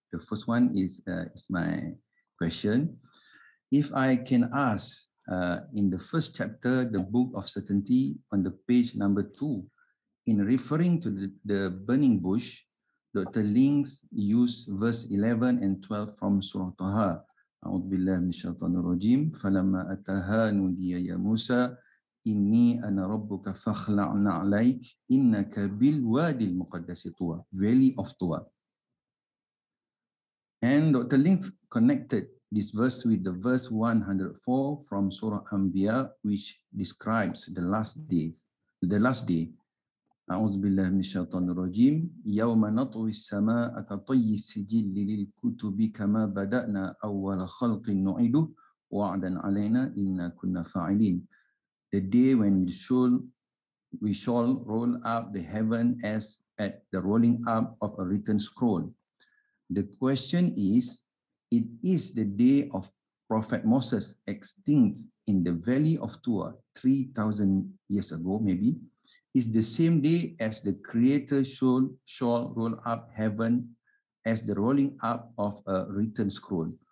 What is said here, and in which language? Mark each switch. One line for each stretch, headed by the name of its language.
English: The first one is my question. If I can ask, in the first chapter, the Book of Certainty, on the page number 2, in referring to the burning bush, Dr. Ling used verse 11 and 12 from Surah Taha.
Arabic: أعوذ بالله من الشيطان الرجيم فلما أتاها نودي يا موسى إني أنا ربك فاخلع نعليك إنك بالوادي المقدس طوى
English: Valley of Tua. And Dr. Ling connected this verse with the verse 104 from Surah Anbiya, which describes the last days. The last day.
Arabic: أعوذ بالله من الشيطان الرجيم يوم نطوي السماء كطي السجل للكتب كما بدأنا أول خلق نعيده وعدا علينا إنا كنا فاعلين.
English: The day when we shall roll up the heaven as at the rolling up of a written scroll. The question is, it is the day of Prophet Moses extinct in the Valley of Tur 3,000 years ago, maybe, is the same day as the Creator shall roll up heaven as the rolling up of a written scroll.